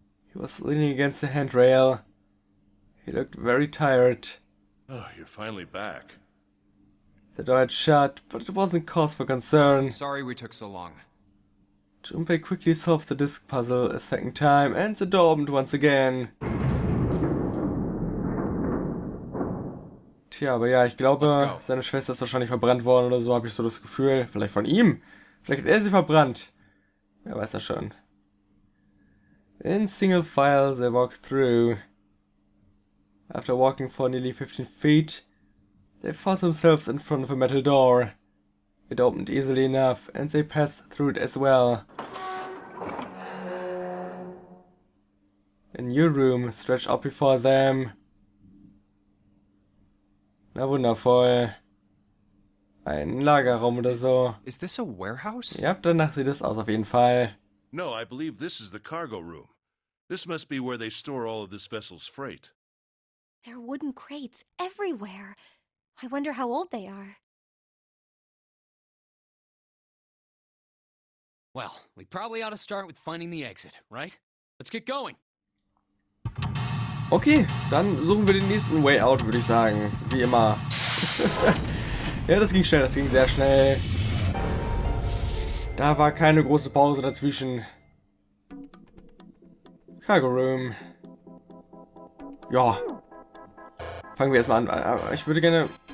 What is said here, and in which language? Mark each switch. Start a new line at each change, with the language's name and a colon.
English: He was leaning against the handrail. He looked very tired. Oh, you're finally back. The door had shut, but it wasn't cause for concern. Sorry we took so long. Junpei quickly solved the disc puzzle a second time, and the door opened once again.
German: Tja, aber ja, ich glaube, seine Schwester ist wahrscheinlich verbrannt worden oder so, habe ich so das Gefühl. Vielleicht von ihm? Vielleicht hat er sie verbrannt. Wer weiß das schon.
English: In single file, they walked through. After walking for nearly 15 feet, they found themselves in front of a metal door. It opened easily enough, and they passed through it as well. A new room stretched out before them.
German: Na wundervoll. Ein Lagerraum oder so.
English: Is this a warehouse?
German: Ja, danach sieht es aus auf jeden Fall.
English: No, I believe this is the cargo room. This must be where they store all of this vessel's freight. There are wooden crates everywhere. I wonder how old they are. Well, we probably ought to start with finding the exit, right? Let's get going.
German: Okay, dann suchen wir den nächsten Way Out, würde ich sagen. Wie immer. Ja, das ging schnell, das ging sehr schnell. Da war keine große Pause dazwischen. Cargo Room. Ja. Fangen wir erstmal an. Ich würde gerne...